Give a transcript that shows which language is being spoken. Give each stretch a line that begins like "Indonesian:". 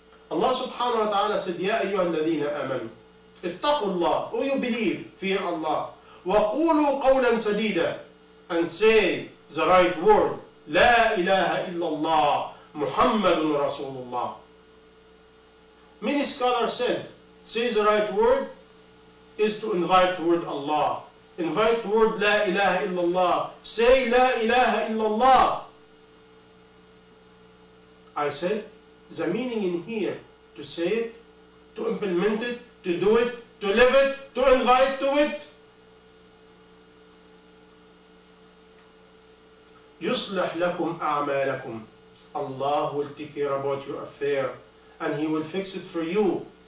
English: Allah subhanahu wa ta'ala said,
Arabic: يَا أَيُّهَا الَّذِينَ آمَنُوا اتَّقُوا اللَّهِ,
English: oh you believe, fear Allah,
Arabic: وَقُولُوا قَوْلًا سَدِيدًا,
English: and say the right word,
Arabic: لا إله إلا الله محمد رسول الله.
English: Many scholars said, say the right word is to invite toward Allah. Invite toward
Arabic: لا إله إلا الله.
English: Say لا إله إلا الله. I said, the meaning in here, to say it, to implement it, to do it, to live it, to invite to it.
Arabic: يُصْلَحْ لَكُمْ أَعْمَالَكُمْ,
English: Allah will take care about your affair and he will fix it for you.